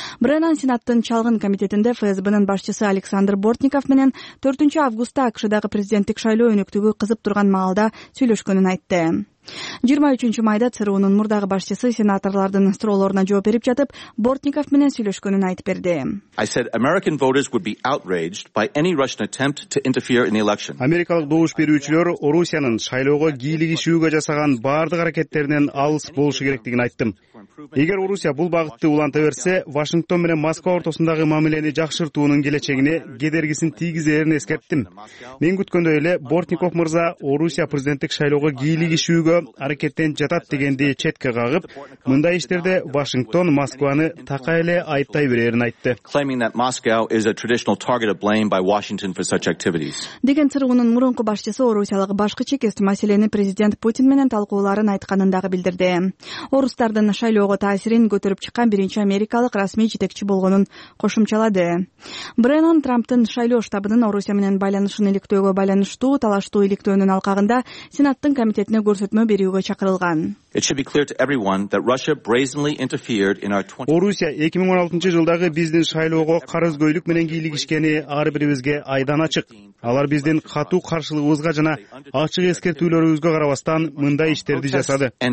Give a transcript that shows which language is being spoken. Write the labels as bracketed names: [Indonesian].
[Kyrgyz] Бреннан Сенаттын чалгын комитетинде ФСБнын башчысы Александр Бортников менен 4-августта АКШдагы президенттик шайлоо өнүктүгү кызып турган маалда сүйлөшкөнүн айтты. 23-майда ЦРУнун мурдагы башчысы сенаторлордун суроолоруна жооп берип жатып, Бортников менен сүйлөшкөнүн айтып берди. [English] I said American voters would be outraged by any Russian attempt to interfere in the election. [Kyrgyz] Америкалык добуш берүүчүлөр Орусиянын шайлоого кийлигишүүгө жасаган бардык аракеттеринен алыс болушу керектигин айттым. Эгер Орусия бул багытты уланта берсе, Вашингтон менен Москва ортосундагы мамилени жакшыртуунун келечегине кедергисин тийгизэрин эскерттим. Мен күткөндөй эле Бортников мырза Орусия президенттик шайлоого кийлигишүүгө аракеттен жатат дегенди четке кагып, мындай иштерде Вашингтон Москваны такай эле айыптай берэрин айтты. [English] Claiming that Moscow is a traditional target of blame by Washington for such activities. [Kyrgyz] Деген ЦРУнун мурунку башчысы Орусиялык башкы чекист маселени президент Путин менен талкууларын айткандагы билдирди. Орустардын шайлоого таасирин көтөрүп чыккан биринчи америкалык расмий жетекчи болгонун кошумчалады. Бреннан Трамптын шайлоо штабынын Орусия менен байланышын иликтөөгө байланыштуу талаштуу иликтөөнүн алкагында Сенаттын комитетине көрсөтмө берүүгө чакырылган. [English] It should be clear to everyone that Russia brazenly interfered in our 2016 [Kyrgyz] Орусия 2016 жылдагы биздин шайлоого карызгөйлүк менен кийлигишкени ар бирибизге айдан ачык. Алар биздин катуу каршылыгыбызга жана ачык эскертүүлөрүбүзгө карабастан мындай иштерди жасады.